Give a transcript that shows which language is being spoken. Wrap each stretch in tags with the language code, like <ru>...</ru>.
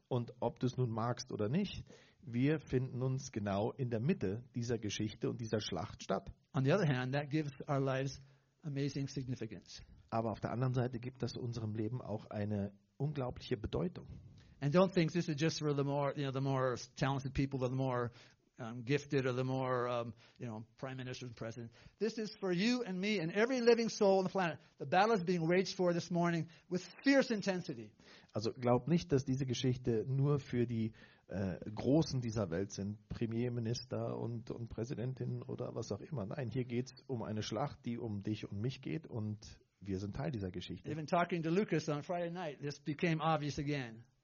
<de>Und ob du es nun magst oder nicht, wir finden uns genau in der Mitte dieser Geschichte und dieser Schlacht statt.</de> <en>On the other hand, that gives our lives amazing significance.</en> <de>Aber auf der anderen Seite gibt das unserem Leben auch eine unglaubliche Bedeutung.</de> <en>And don't think this is just for the more, you know, the more talented people, the more gifted, or the more, you know, prime ministers and presidents. This is for you and me and every living soul on the planet. The battle is being waged for this morning with fierce intensity.</en> <de>Also glaub nicht, dass diese Geschichte nur für die Großen dieser Welt sind, Premierminister und Präsidentinnen oder was auch immer. Nein, hier geht es um eine Schlacht, die um dich und mich geht, und wir sind Teil dieser Geschichte.</de> <en>Even talking to Lucas on Friday night, this became obvious again.</en>